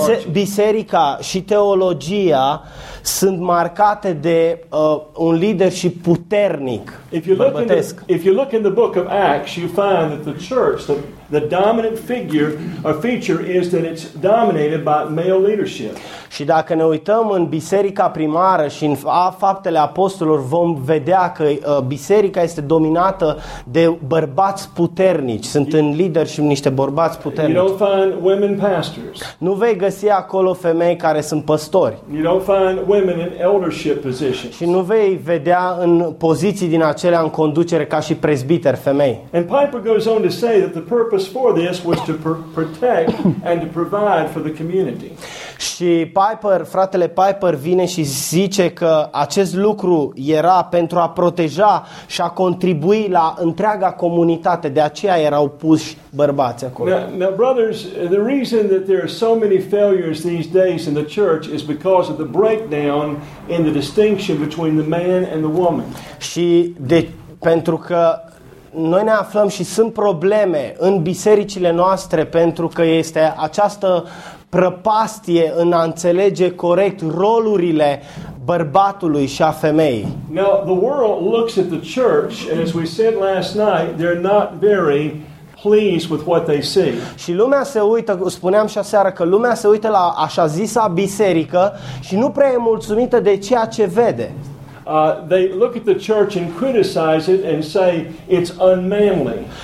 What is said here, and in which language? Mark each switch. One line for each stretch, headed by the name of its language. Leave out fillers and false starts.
Romanian: Biserica și teologia sunt marcate de un leadership puternic.
English: If you look in the book of Acts, you find that the church, the dominant figure or feature is that it's dominated by male leadership.
Romanian: Și dacă ne uităm în biserica primară și în Faptele Apostolilor, vom vedea că biserica este dominată de bărbați puternici. Sunt în lider și niște bărbați puternici.
English: You don't find women pastors.
Romanian: Nu vei găsi acolo femei care sunt păstori.
English: You don't find women in eldership positions.
Romanian: Și nu vei vedea în poziții din acelea în conducere ca și presbiteri femei.
English: And Piper goes on to say that the purpose for this was to protect and to provide for the community.
Romanian: Și Piper, fratele Piper vine și zice că acest lucru era pentru a proteja și a contribui la întreaga comunitate, de aceea erau puși bărbați acolo.
English: Now, brothers, the reason that there are so many failures these days in the church is because of the breakdown in the distinction between the man and the woman.
Romanian: Și pentru că noi ne aflăm și sunt probleme în bisericile noastre pentru că este această prăpastie în a înțelege corect rolurile bărbatului și a femeii.
English: Now, the world looks at the church, and as we said last night, they're not very pleased with what they see.
Romanian: Și lumea se uită, spuneam și aseară, că lumea se uită la așa zisa biserică și nu prea e mulțumită de ceea ce vede.
English: They look at the church and criticize it and say it's unmanly.